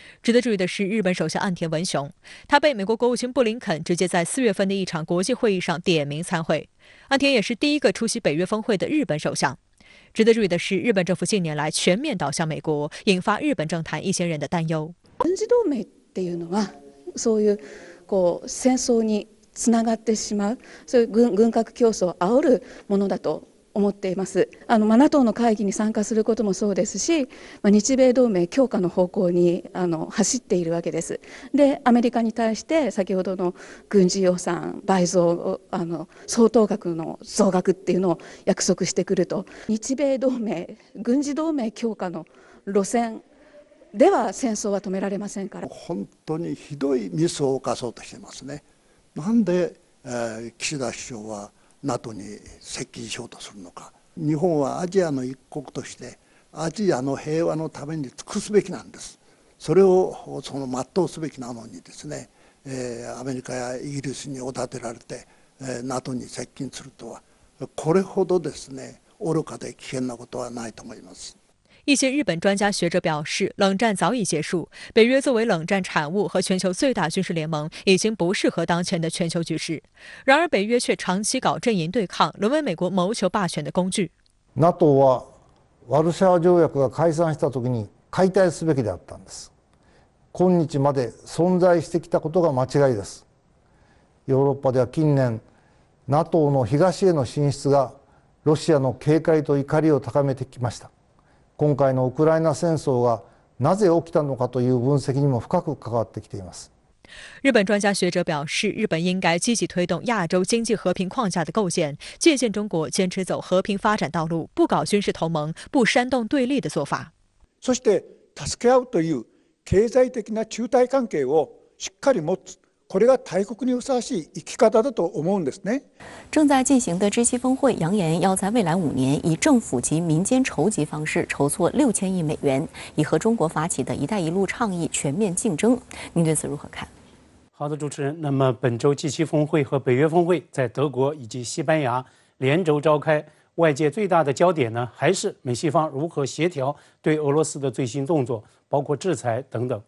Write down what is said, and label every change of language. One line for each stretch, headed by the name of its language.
Chinese: 值得注意的是，日本首相岸田文雄，他被美国国务卿布林肯直接在四月份的一场国际会议上点名参会。岸田也是第一个出席北约峰会的日本首相。值得注意的是，日本政府近年来全面倒向美国，引发日本政坛一些人的担忧。
Japanese: 軍事同盟っていうのは、そういうこう戦争につながってしまう、そういう軍拡競争を煽るものだと思っています。 NATO の会議に参加することもそうですし、日米同盟強化の方向に走っているわけです。でアメリカに対して先ほどの軍事予算倍増、相当額の増額っていうのを約束してくると、日米同盟軍事同盟強化の路線では戦争は止められませんから。本当にひどいミスを犯そうとしてますね。なんで、岸田首相はNATO に接近しようとするのか。日本はアジアの一国としてアジアの平和のために尽くすべきなんです。それをその全うすべきなのにですね、アメリカやイギリスにおだてられて、NATO に接近するとはこれほどですね、愚かで危険なことはないと思います。
Chinese: 一些日本专家学者表示，冷战早已结束。北约作为冷战产物和全球最大军事联盟，已经不适合当前的全球局势。然而，北约却长期搞阵营对抗，沦为美国谋求霸权的工具。
Japanese: NATO はワルシャワ条約が解散したときに解体すべきであったんです。今日まで存在してきたことが間違いです。ヨーロッパでは近年、NATO の東への進出がロシアの警戒と怒りを高めてきました。今回のウクライナ戦争がなぜ起きたのかという分析にも深く関わってきています。
Chinese: 日本专家学者表示，日本应该积极推动亚洲经济和平框架的构建，借鉴中国坚持走和平发展道路，不搞军事同盟，不煽动对立的做法。
Japanese: そして助け合うという経済的な中台関係をしっかり持つ。これが大国にふさわしい生き方だと思うんですね。
Chinese: 正在进行的 G7 峰会扬言要在未来五年以政府及民间筹集方式筹措6000亿美元，以和中国发起的一带一路倡议全面竞争。您对此如何看？好的，主持人。那么本周 G7 峰会和北约峰会在德国以及西班牙连轴召开，外界最大的焦点呢，还是美西方如何协调对俄罗斯的最新动作，包括制裁等等。